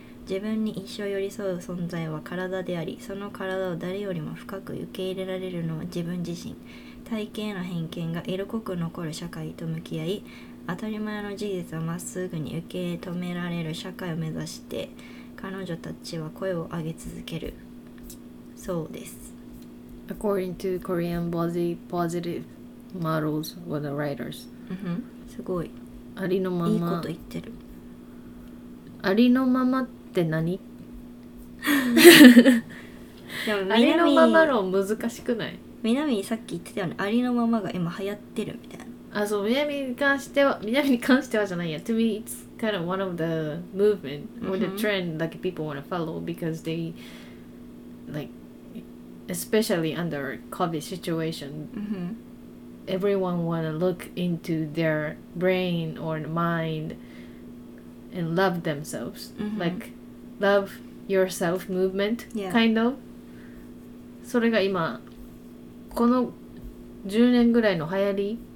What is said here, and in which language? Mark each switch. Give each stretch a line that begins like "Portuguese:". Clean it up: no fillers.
Japanese: 自分に一生寄り添う存在は体であり、その体を誰よりも深く受け入れられるのは自分自身。体型の偏見が色濃く残る社会と向き合い、当たり前の事実をまっすぐに受け止められる社会を目指して、彼女たちは声を上げ続けるそうです。
English: According to Korean body positive models or the writers.
Japanese: すごい。ありのまま。いいこと言ってる。ありのままって何？でもありのまま論難しくない？南にさっき言ってたよね、ありのままが今流行ってるみたいな。あ、そう、南に関しては、南に関してはじゃないや。
English: To me, it's kind of one of the movement or the trend that people want to follow because they, like, especially under COVID situation, everyone want to look into their brain or mind and love themselves. Like, love yourself movement, kind of.
Japanese: それが今、この10年ぐらいの流行り、